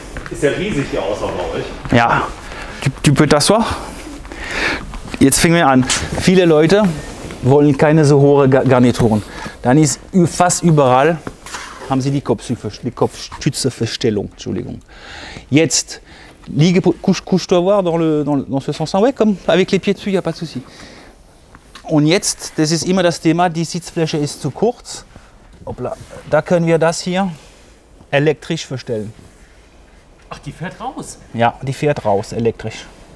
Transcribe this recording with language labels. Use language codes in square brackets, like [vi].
[de] Ist ja riesig hier außer bei euch. Ja, du bist das so. Jetzt fangen wir an. Viele Leute wollen keine so hohen Garnituren. Dann ist fast überall, haben sie die Kopfstützeverstellung. Entschuldigung. Jetzt, liege, [fr] couche-toi voir dans ce sens. Ouais, comme avec les pieds dessus, y a pas de souci. [de] Und jetzt, das ist immer das Thema, die Sitzfläche ist zu kurz. Hoppla. Da können wir das hier elektrisch verstellen. Ach, die fährt raus? Ja, die fährt raus, elektrisch.